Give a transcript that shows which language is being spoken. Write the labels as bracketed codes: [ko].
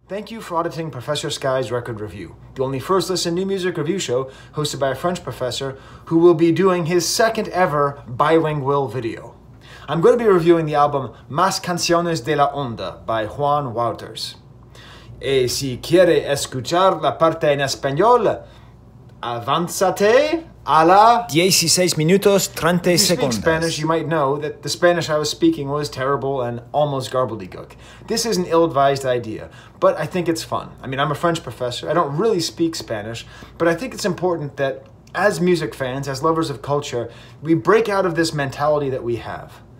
[en] Thank you for auditing Professor Skye's record review, the only first listen new music review show hosted by a French professor who will be doing his second ever bilingual video. I'm going to be reviewing the album Más Canciones de la Onda by Juan Wauters. [es] Y si quiere escuchar la parte en español, avánzate a la 16 minutos 30 segundos. [en] If you speak Spanish, you might know that the Spanish I was speaking was terrible and almost garbledygook. This is an ill-advised idea, but I think it's fun. I mean, I'm a French professor. I don't really speak Spanish, but I think it's important that as music fans, as lovers of culture, we break out of this mentality that we have.